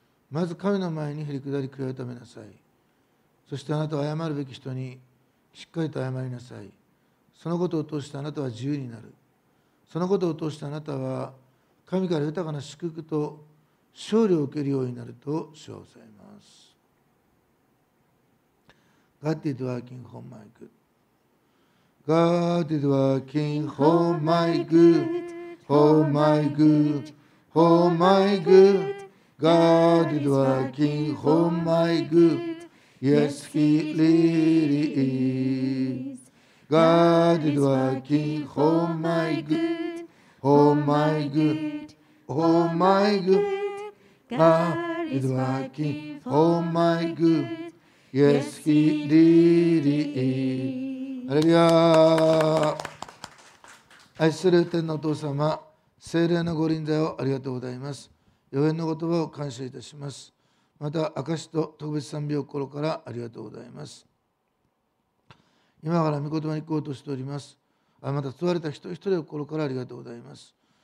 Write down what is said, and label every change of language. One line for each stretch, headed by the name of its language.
Japanese: まず神の前にへりくだり悔い改めなさい。そしてあなたは謝るべき人にしっかりと謝りなさい。そのことを通してあなたは自由になる。そのことを通してあなたは神から豊かな祝福と勝利を受けるようになると主は仰います。
English: God is working for my good。 God is working for my good, for my good, for my goodGod is working for my good, yes, He really is. God is working for my good, for my good, for my good. God is working for my good, yes, He really is. Hallelujah!
Japanese: 愛する天のお父様、聖霊のご臨在をありがとうございます。予言の言葉を感謝いたします。また証と特別賛美を心からありがとうございます。今から御言葉に行こうとしております。また問われた人一人を心からありがとうございます。